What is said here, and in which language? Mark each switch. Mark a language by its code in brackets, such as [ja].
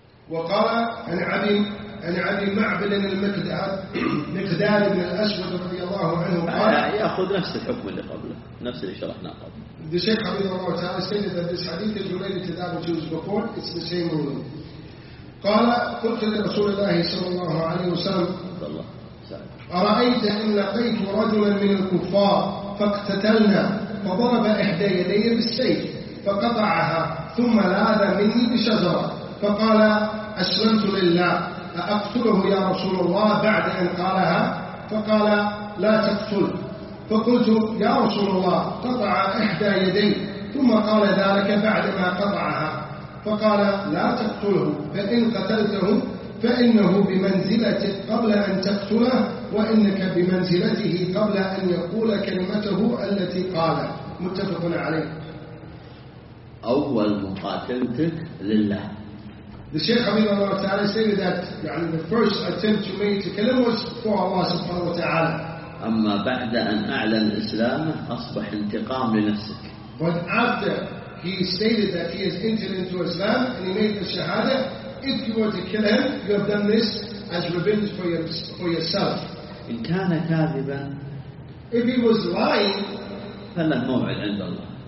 [ar] وقال عن أبي معبد المقداد مقداد بن الأسود رضي الله عنه قال يأخذ نفس الحكم اللي قبله نفس اللي شرحنا قبله. [en] The Shaykh Habib Allah Ta'ala stated that this hadith is related to that which was before. It's the same rule. [ar] قال قلت لرسول الله صلى الله عليه وسلم أرأيت إن لقيت رجلا من الكفار فاقتتلنا فضرب إحدى يدي بالسيف فقطعها ثم لاذ مني بشجرة فقال أسلمت لله أقتله يا رسول الله بعد أن قالها فقال لا تقتل فقلت يا رسول الله قطع إحدى يدي ثم قال ذلك بعدما قطعها فقال لا تقتله فإن قتلته فإنه بمنزلتك قبل أن تقتله وإنك بمنزلته قبل أن يقول كلمته التي قال. متفق عليه. أول مقاتلتك لله. [en] The Shaykh Habib Allah Ta'ala stated that the first attempt you made to kill him was for Allah subhanahu wa ta'ala. [ar] أما بعد أن أعلن الإسلام أصبح انتقام لنفسك. [en] But after he stated that he has entered into Islam and he made the shahada, if you were to kill him, you have done this as revenge for yourself. [ar] إن كان كاذبا. [en] If he was lying, [ar] فله موعد عند الله.